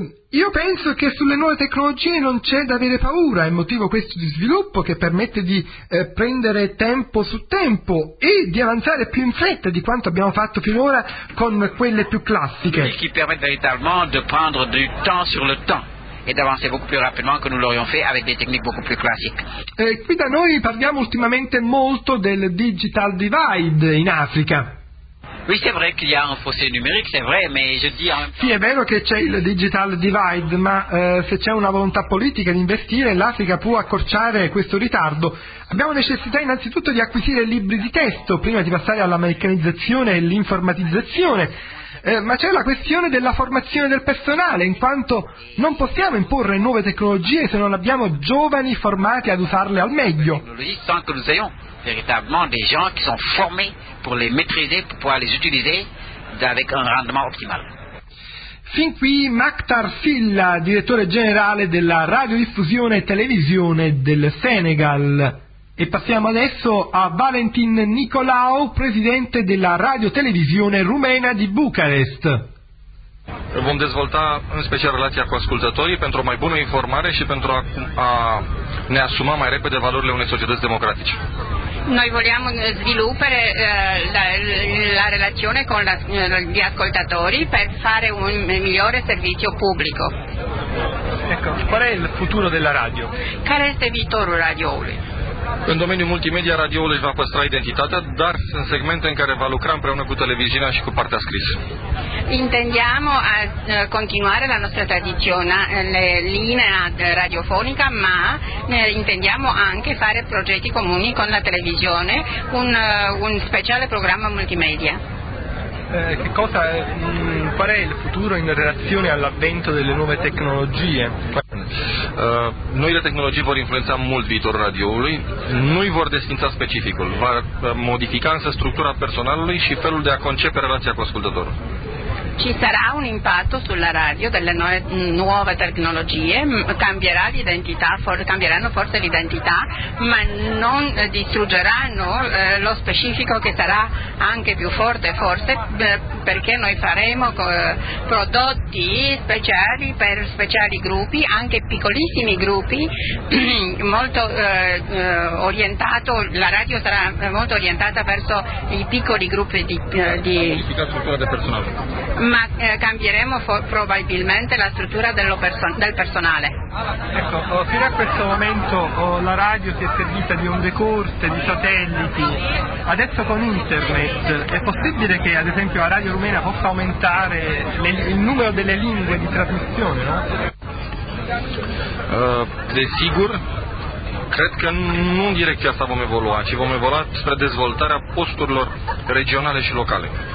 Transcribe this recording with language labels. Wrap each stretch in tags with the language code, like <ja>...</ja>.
<it>Io penso che sulle nuove tecnologie non c'è da avere paura, è motivo questo di sviluppo che permette di prendere tempo su tempo e di avanzare più in fretta di quanto abbiamo fatto finora con quelle più classiche. Che permette veramente di prendere</it> <fr>du temps sur le temps.</fr> <it>E d'avanzare molto più rapidamente che noi l'avremmo fatto con delle tecniche molto più classiche. Qui da noi parliamo ultimamente molto del digital divide in Africa.</it> <fr>Oui, c'est vrai qu'il y a un fossé numérique, c'est vrai, mais je dis en même temps...</fr> <it>Sì, è vero che c'è il digital divide, ma se c'è una volontà politica di investire, l'Africa può accorciare questo ritardo. Abbiamo necessità innanzitutto di acquisire libri di testo prima di passare all'americanizzazione e l'informatizzazione. Ma c'è la questione della formazione del personale, in quanto non possiamo imporre nuove tecnologie se non abbiamo giovani formati ad usarle al meglio.</it> <fr>Sans que nous ayons véritablement des gens qui sont formés pour les maîtriser, pour pouvoir les utiliser avec un rendement optimal.</fr> <it>Fin qui Mac Tarsilla, direttore generale della radiodiffusione e televisione del Senegal. E passiamo adesso a Valentin Nicolau, presidente della radiotelevisione rumena di Bucarest.</it> <ro>Vom dezvolta în special relația cu ascultătorii pentru o mai bună informare și pentru a ne asuma mai repede valorile unei societăți democratice.</ro> <it>Noi vogliamo sviluppare la relazione con gli ascoltatori per fare un migliore servizio pubblico. Ecco, qual è il futuro della radio?</it> <ro>Care este viitorul radioului? În domeniul multimedia, radioul își va păstra identitatea, dar sunt segmente în care va lucra împreună cu televiziunea și cu partea scrisă.</ro> <it>Intendiamo a continuare la nostra tradizionale linea radiofonica, ma intendiamo anche fare progetti comuni con la televisione, un speciale programma multimedia. Qual è il futuro in relazione all'avvento delle nuove tecnologie?</it> <ro>Noile tehnologii vor influența mult viitorul radioului, nu-i vor desfința specificul, va modifica însă structura personalului și felul de a concepe relația cu ascultătorul.</ro> <it>Ci sarà un impatto sulla radio delle nuove tecnologie, cambierà l'identità, cambieranno forse l'identità, ma non distruggeranno lo specifico, che sarà anche più forte forse, perché noi faremo prodotti speciali per speciali gruppi, anche piccolissimi gruppi, molto orientato, la radio sarà molto orientata verso i piccoli gruppi di ma cambieremo probabilmente la struttura del personale. Ecco, fino a questo momento la radio si è servita di onde corte, di satelliti. Adesso con internet è possibile che ad esempio la radio rumena possa aumentare il numero delle lingue di trasmissione, no?</it> <ro>Desigur. Cred că nu în direcția asta vom evolua, ci vom evolua spre dezvoltarea posturilor regionale și locale.</ro>